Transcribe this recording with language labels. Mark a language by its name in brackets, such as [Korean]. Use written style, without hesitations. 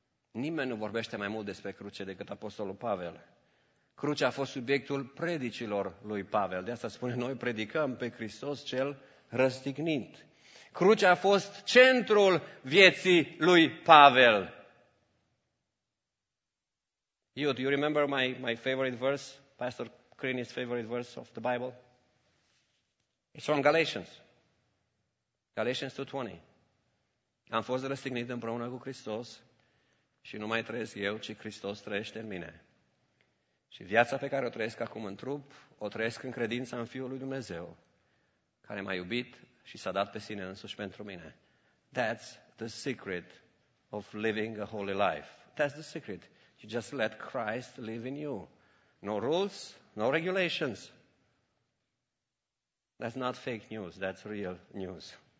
[Romanian] Nimeni nu vorbește mai mult despre cruce decât Apostolul Pavel. Crucea a fost subiectul predicilor lui Pavel. De asta spune, noi predicăm pe Hristos cel răstignit. Crucea a fost centrul vieții lui Pavel. [English] Do you remember my favorite verse, Pastor Crini's favorite verse of the Bible? It's from Galatians. Galatians 2:20. [Romanian] Am fost răstignit împreună cu Hristos și nu mai trăiesc eu, ci Hristos trăiește în mine. Și viața pe care o trăiesc acum în trup, o trăiesc în credința în Fiul lui Dumnezeu, care m-a iubit și s-a dat pe sine însuși pentru mine. [English] That's the secret of living a holy life. That's the secret. You just let Christ live in you. No rules, no regulations. That's not fake news, that's real news.